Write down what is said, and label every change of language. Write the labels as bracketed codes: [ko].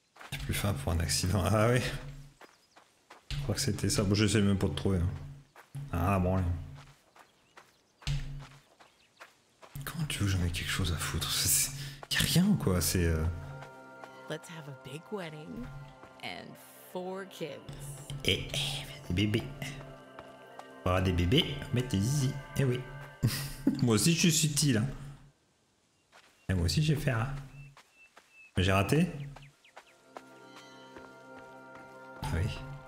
[fr] J'ai plus faim pour un accident. Ah oui. Je crois que c'était ça. Bon, j'essaie même pas de trouver. Ah bon, allez. Comment tu veux que j'en ai quelque chose à foutre? Y'a rien ou quoi? C'est. [en] Let's have a big wedding and four kids. [fr] Des bébés. Voilà des bébés, mettez zizi. Eh oui. Moi aussi je suis subtil. Hein. Et moi aussi j'ai fait un. Mais j'ai raté? Ah oui.